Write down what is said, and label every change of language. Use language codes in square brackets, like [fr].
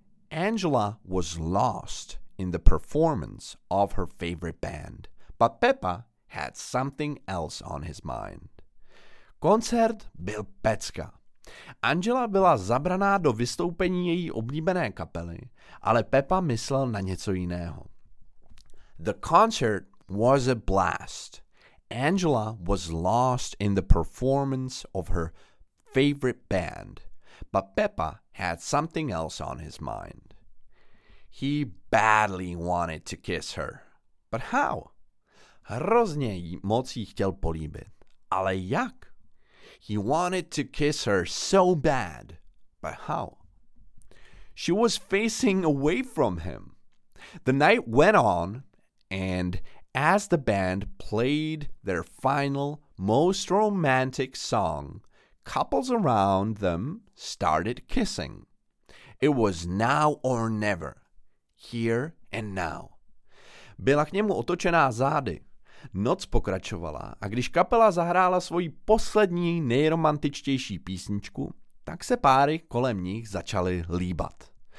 [en] Angela was lost in the performance of her favorite band, but Peppa had something else on his mind. [cs] Koncert byl pecka. Angela byla zabraná do vystoupení její oblíbené kapely, ale Peppa myslel na něco jiného. [en] The concert was a blast. Angela was lost in the performance of her favorite band, but Peppa had something else on his mind. He badly wanted to kiss her. But how? [cs] Hrozně moc jí chtěl políbit. Ale jak? [en] He wanted to kiss her so bad. But how? She was facing away from him. The night went on, and as the band played their final, most romantic song, couples around them started kissing. It was now or never. Here and now. [cs] Byla k němu otočená zády. Noc pokračovala a když kapela zahrála svoji poslední nejromantičtější písničku, tak se páry kolem nich začaly líbat.